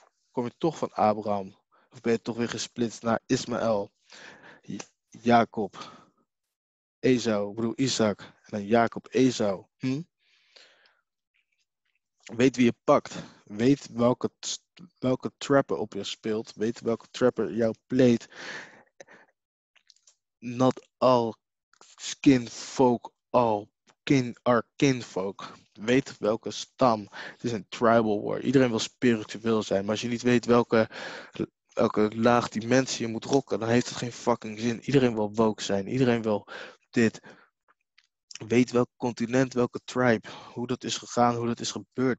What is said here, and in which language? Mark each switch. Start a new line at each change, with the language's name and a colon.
Dutch: Kom je toch van Abraham? Of ben je toch weer gesplitst naar Ismaël, Jacob, Esau, broer Isaac, en dan Jacob, Esau? Weet wie je pakt. Weet welke trapper op je speelt. Weet welke trapper jou pleet.
English: Not all skin folk all kin are kin folk.
Dutch: Weet welke stam. Het is een tribal war. Iedereen wil spiritueel zijn. Maar als je niet weet welke laag dimensie je moet rocken, dan heeft het geen fucking zin. Iedereen wil woke zijn. Iedereen wil dit. Weet welk continent, welke tribe, hoe dat is gegaan, hoe dat is gebeurd.